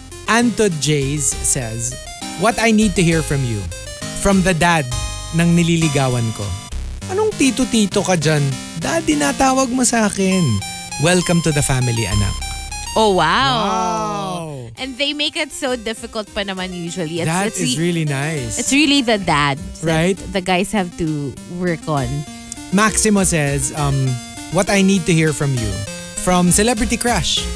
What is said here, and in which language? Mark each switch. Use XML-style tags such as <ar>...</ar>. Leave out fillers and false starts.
<en>Anto Jays says, what I need to hear from you, from the dad</en> <tl>ng nililigawan ko. Anong tito-tito ka dyan? Daddy na tawag mo sa akin. Welcome to the family, anak.</tl> <en>Oh, wow. Wow. And they make it so difficult</en> <tl>pa naman</tl> <en>usually. It's really nice. It's really the dad. Right? The guys have to work on. Maximo says, what I need to hear from you, from Celebrity Crush.</en>